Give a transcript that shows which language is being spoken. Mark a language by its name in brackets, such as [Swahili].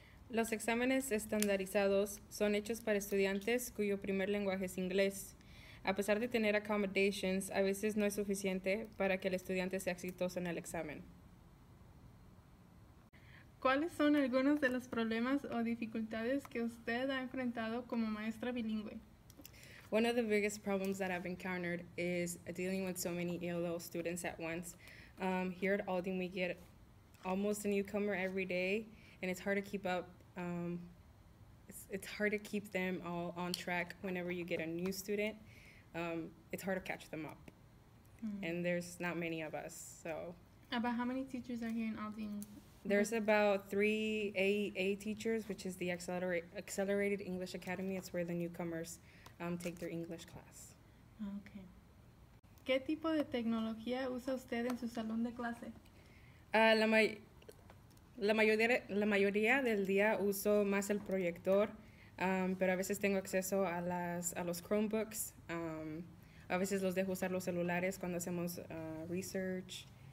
[Spanish] Los exámenes estandarizados son hechos para estudiantes cuyo primer lenguaje es inglés. A pesar de tener accommodations, a veces no es suficiente para que el estudiante sea exitoso en el examen. ¿Cuáles son algunos de los problemas o dificultades que usted ha enfrentado como maestra bilingüe? [English] One of the biggest problems that I've encountered is dealing with so many ELL students at once. Here at Aldine, we get almost a newcomer every day, and it's hard to keep up. It's hard to keep them all on track whenever you get a new student. It's hard to catch them up, and there's not many of us. So, about how many teachers are here in Aldine? There's about three AEA teachers, which is the Accelerated English Academy. It's where the newcomers take their English class. Okay. [Spanish] ¿Qué tipo de tecnología usa usted en su salón de clase? La mayoría del día uso más el proyector, pero a veces tengo acceso a los Chromebooks. A veces los dejo usar los celulares cuando hacemos research.